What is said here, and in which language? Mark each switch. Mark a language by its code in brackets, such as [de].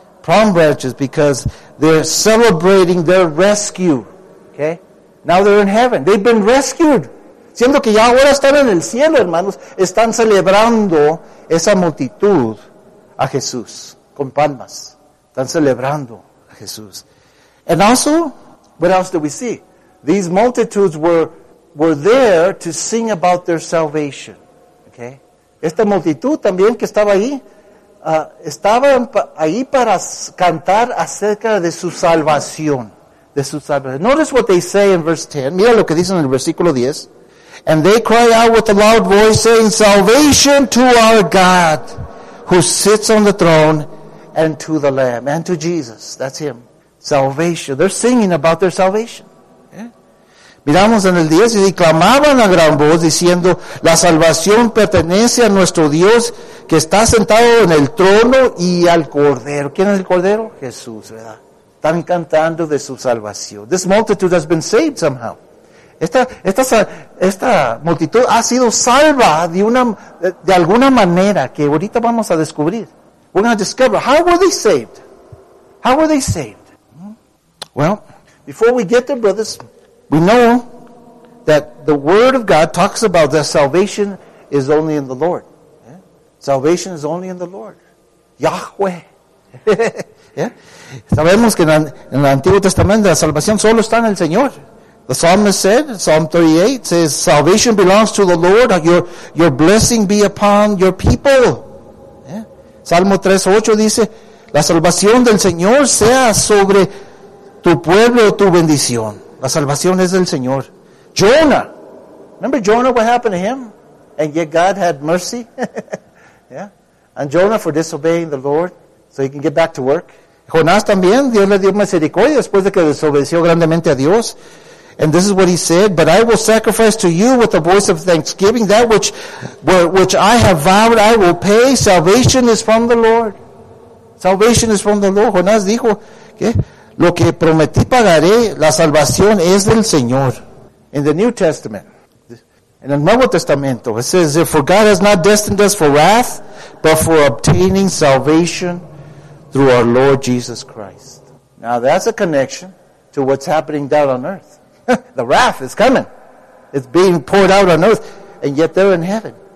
[en] Palm branches, because they're celebrating their rescue. Okay? Now they're in heaven. They've been rescued. [es] Siendo que ya ahora están en el cielo, hermanos, están celebrando esa multitud a Jesús con palmas. Están celebrando a Jesús. [en] And also, what else do we see? These multitudes were there to sing about their salvation. Okay? [es] Esta multitud también que estaba ahí, estaban ahí para cantar acerca de su salvación. De su salvación. [en] Notice what they say in verse 10. [es] Mira lo que dicen en el versículo 10. [en] And they cry out with a loud voice, saying, salvation to our God, who sits on the throne, and to the Lamb, and to Jesus. That's him. Salvation. They're singing about their salvation. [es] Miramos en el 10, y clamaban a gran voz, diciendo, la salvación pertenece a nuestro Dios, que está sentado en el trono, y al Cordero. ¿Quién es el Cordero? Jesús, ¿verdad? Están cantando de su salvación. [en] This multitude has been saved somehow. [es] Esta multitud ha sido salva de alguna manera que ahorita vamos a descubrir. [en] We're going to discover how were they saved? How were they saved? Well, before we get there, brothers, we know that the Word of God talks about that salvation is only in the Lord. Yeah? Salvation is only in the Lord. Yahweh. Yeah? [es] Sabemos que en el Antiguo Testamento la salvación solo está en el Señor. [en] The psalmist said, Psalm 38 says, salvation belongs to the Lord, your blessing be upon your people. Yeah? [es] Salmo 3:8 dice, la salvación del Señor sea sobre tu pueblo, tu bendición. La salvación es del Señor. [en] Jonah. Remember Jonah, what happened to him? And yet God had mercy. Yeah? And Jonah for disobeying the Lord, so he can get back to work. [es] Jonás también, Dios le dio misericordia después de que desobedeció grandemente a Dios. [en] And this is what he said, but I will sacrifice to you with a voice of thanksgiving that which I have vowed I will pay. Salvation is from the Lord. Salvation is from the Lord. [es] Jonás dijo, ¿qué? Lo que prometí pagaré, la salvación es del Señor. [en] In the New Testament, in the [es] Nuevo Testamento, [en] it says, for God has not destined us for wrath, but for obtaining salvation through our Lord Jesus Christ. Now that's a connection to what's happening down on earth. The wrath is coming. It's being poured out on earth. And yet they're in heaven.